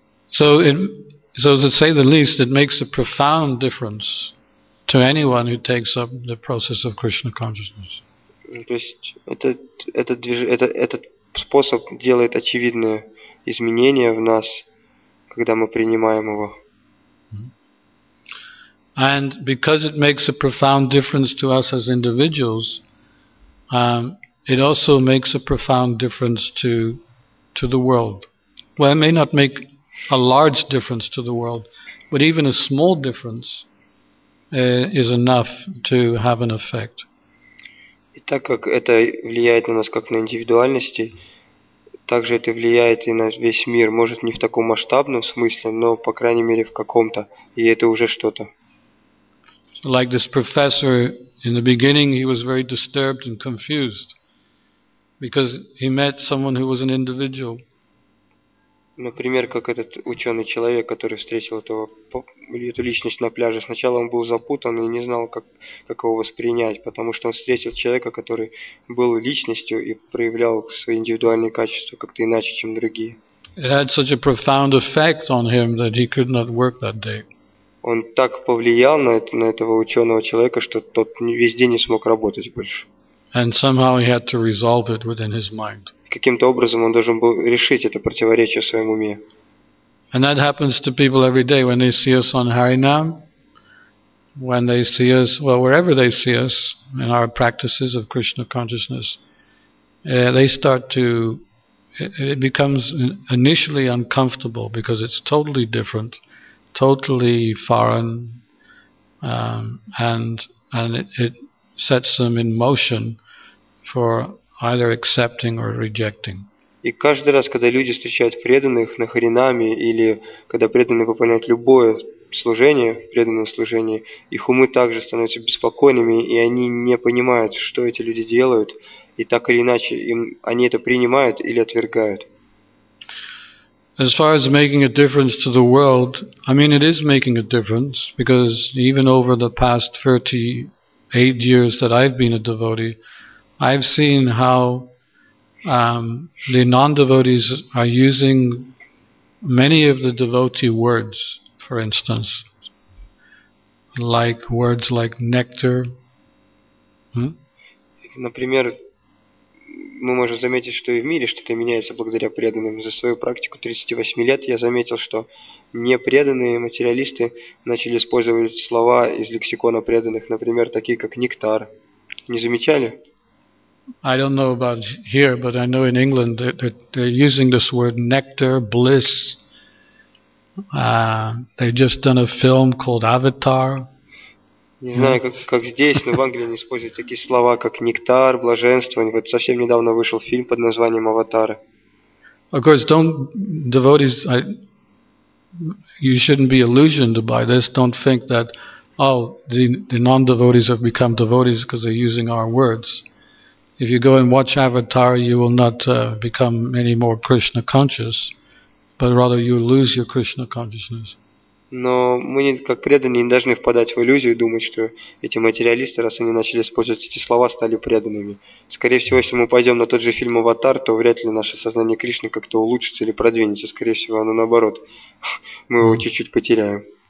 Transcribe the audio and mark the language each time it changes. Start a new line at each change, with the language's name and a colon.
English: So to say the least, it makes a profound difference to anyone who takes up the process of Krishna consciousness.
Russian: То есть этот способ делает очевидные изменения в нас, когда мы принимаем его.
English: And because it makes a profound difference to us as individuals, it also makes a profound difference to the world. Well, it may not make a large difference to the world, but even a small difference is enough to have an effect.
Russian: И так как это влияет на нас как на индивидуальности, также это влияет и на весь мир, может не в таком масштабном смысле, но по крайней мере в каком-то, и это уже что-то.
English: So like this professor, in the beginning he was very disturbed and confused because he met someone who was an individual.
Russian: Например, как этот ученый человек, который встретил эту личность на пляже. Сначала он был запутан и не знал, как его воспринять, потому что он встретил человека, который был личностью и проявлял свои индивидуальные качества как-то иначе, чем другие.
English: It had such a profound effect on him that he could not work that day.
Russian: Он так повлиял на этого ученого человека, что тот весь день не смог работать больше.
English: And somehow he had to resolve it within his mind.
Russian: Каким-то образом он должен был решить это противоречие в своем уме.
English: And that happens to people every day when they see us on Harinam, when they see us, well, wherever they see us in our practices of Krishna consciousness, they start to, it becomes initially uncomfortable because it's totally different, totally foreign, and it sets them in motion for either accepting or rejecting.
Russian: И каждый раз, когда люди встречают преданных на харинаме или когда преданные выполняют любое служение, преданное служение, их умы также становятся беспокойными, и они не понимают, что эти люди делают, и так или иначе им они это принимают или отвергают.
English: As far as making a difference to the world, I mean, it is making a difference because even over the past 38 years that I've been a devotee, I've seen how the non-devotees are using many of the devotee words, for instance, like words like nectar.
Russian: Например, мы можем заметить, что и в мире что-то меняется благодаря преданным. За свою практику 38 лет я заметил, что непреданные материалисты начали использовать слова из лексикона преданных, например, такие как нектар. Не замечали?
English: I don't know about here, but I know in England they're using this word nectar, bliss. They've just done a film called Avatar.
Russian: Не знаю, как здесь, но в Англии они используют такие слова, как нектар, блаженство. Вот совсем недавно вышел фильм под названием Аватар.
English: Of course, don't devotees, you shouldn't be illusioned by this. Don't think that, oh, the non-devotees have become devotees because they're using our words. If you go and watch Avatar, you will not become any more Krishna conscious, but rather you lose your Krishna consciousness.
Russian: Но мы, как преданные, не должны впадать в иллюзию и думать, что эти материалисты, раз они начали использовать эти слова, стали преданными. Скорее всего, если мы пойдем на тот же фильм «Аватар», то вряд ли наше сознание Кришны как-то улучшится или продвинется. Скорее всего, оно наоборот. Мы его чуть-чуть потеряем.